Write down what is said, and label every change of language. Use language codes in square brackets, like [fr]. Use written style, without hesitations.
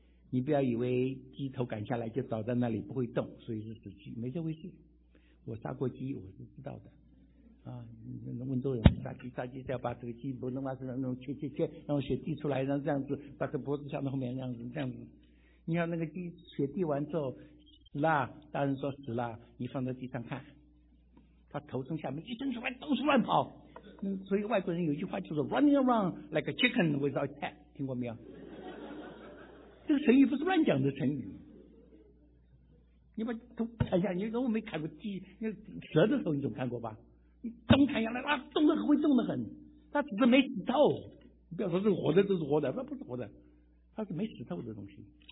[zh] 你不要以为鸡头砍下来就倒在那里不会动所以是死鸡，没这回事，我杀过鸡我是知道的啊，温州人杀鸡，杀鸡是要把这个鸡脖子上那种切切切，然后血滴出来，然后这样子把这脖子向后面这样子。你看那个鸡血滴完之后死了，大人说死了，你放在地上看，他头从下面一伸出来到处乱跑。所以外国人有一句话叫做 [en] "running around like a chicken without a tail"， [zh] 听过没有？这个成语不是乱讲的成语。你把头砍下，你如果没砍过鸡，那蛇的头你总看过吧？你动弹下来哇，动得很会动得很，他只是没死透，你不要说是活的，这是活的，那不是活的，他是没死透的东西。